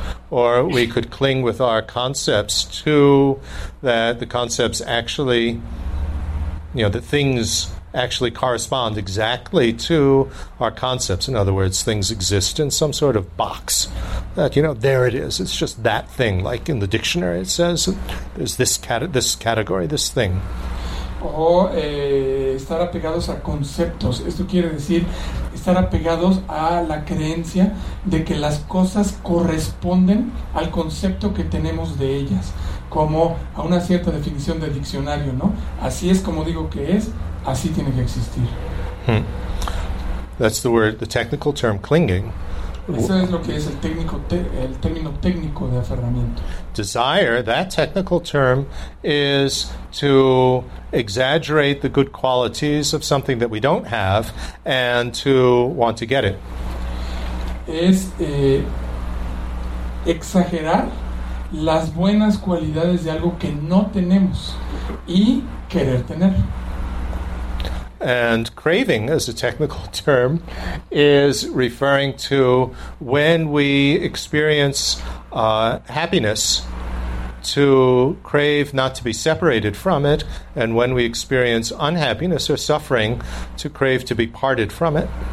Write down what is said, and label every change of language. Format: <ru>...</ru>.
<en>Or we could cling with our concepts to that the concepts actually, you know, the things actually correspond exactly to our concepts. In other words, things exist in some sort of box that, you know, there it is. It's just that thing. Like in the dictionary, it says there's this category, this thing.</en> <es>O estar apegados a conceptos. Esto quiere decir estar apegados a la creencia de que las cosas corresponden al concepto que tenemos de ellas, como a una cierta definición de diccionario, ¿no? Así es como digo que es, así tiene que existir.</es> <en>That's the word, the technical term, clinging.</en> <es>Eso es lo que es el término técnico de aferramiento.</es> <en>Desire, that technical term, is to exaggerate the good qualities of something that we don't have and to want to get it.</en> <es>Es exagerar las buenas cualidades de algo que no tenemos y querer tener.</es> <en>And craving, as a technical term, is referring to when we experience happiness, to crave not to be separated from it, and when we experience unhappiness or suffering, to crave to be parted from it.</en>